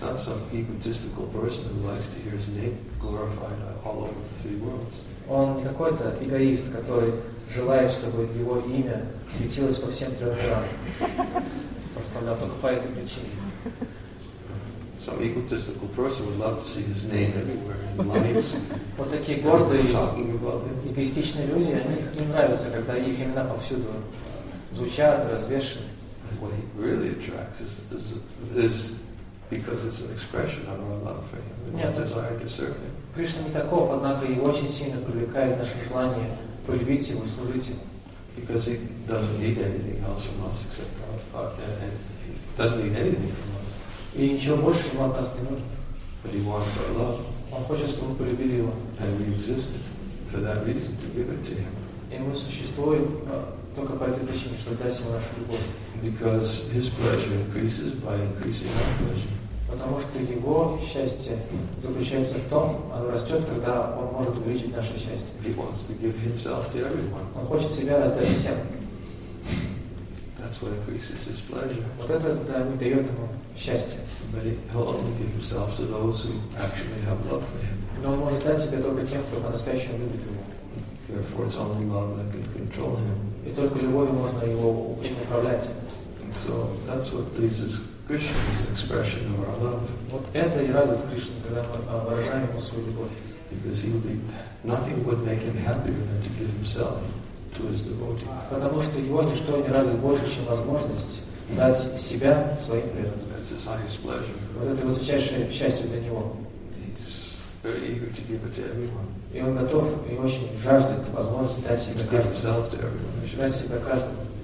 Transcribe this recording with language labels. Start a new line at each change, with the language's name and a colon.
English: not some egotistical person who likes to hear his name glorified all over the three worlds.
Russian: Он не какой-то эгоист, который желает, чтобы его имя светилось по всем трем мирам. Поставлял только по этой причине.
English: Some egotistical person would love to see his name everywhere in lights.
Russian: Вот такие гордые, эгоистичные люди, они им нравятся, когда их имена повсюду звучат, развешены.
English: What he really attracts is because it's an expression of our love for him and our desire to serve him.
Russian: Кришна не таков, однако его очень сильно привлекает наше желание полюбить его, служить ему.
English: Because he doesn't need anything else from us except our love, and he doesn't need anything from us.
Russian: И ничего больше ему от нас не нужно.
English: But he wants our love.
Russian: Он хочет, чтобы мы полюбили его.
English: And we exist for that reason to give it to him.
Russian: И мы существуем только по этой причине, чтобы дать ему нашу любовь.
English: Because his pleasure increases by increasing our pleasure.
Russian: Потому что его счастье заключается в том, оно растет, когда он может увеличить наше счастье.
English: He wants to give himself to everyone.
Russian: Он хочет себя раздать всем.
English: That's what increases his pleasure.
Russian: Вот это дает ему счастье.
English: But he'll only give himself to those who actually have love for him.
Russian: Но он может дать себя только тем, кто по-настоящему любит его.
English: He Therefore, it's only love that can control him.
Russian: И только любовью можно его управлять.
English: So that's what pleases Krishna's expression of our love.
Russian: Вот это и радует Кришну, когда мы выражаем ему свою любовь.
English: Because nothing would make him happier than to give himself to his devotee.
Russian: Потому что его ничто не радует больше, чем возможность дать себя своим преданным.
English: That's his highest pleasure.
Russian: Вот это высочайшее счастье для него.
English: He's very eager to give it to everyone.
Russian: И он готов и очень жаждет возможности дать себя каждому.
English: Give himself to everyone.
Russian: Дать себя каждому.